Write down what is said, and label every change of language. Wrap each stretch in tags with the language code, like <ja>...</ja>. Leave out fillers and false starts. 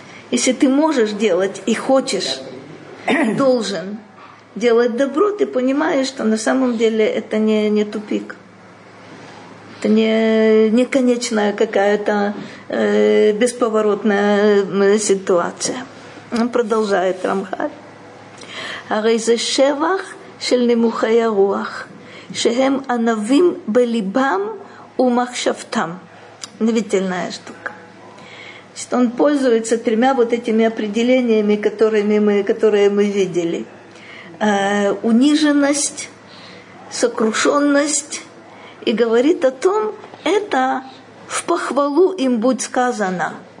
<ru>Если ты можешь делать и хочешь, должен делать добро, ты понимаешь, что на самом деле это не тупик. Это не конечная какая-то бесповоротная ситуация. Он продолжает Рамхаль.</ru> <he>הרי זה שבח של נמוכי הרוח, שהם ענבים בליבם ומחשבתם.</he> <ru>Удивительная штука. Значит, он пользуется тремя вот этими определениями, которые мы видели. Униженность, сокрушенность. И говорит о том, это в похвалу им будет сказано.</ru>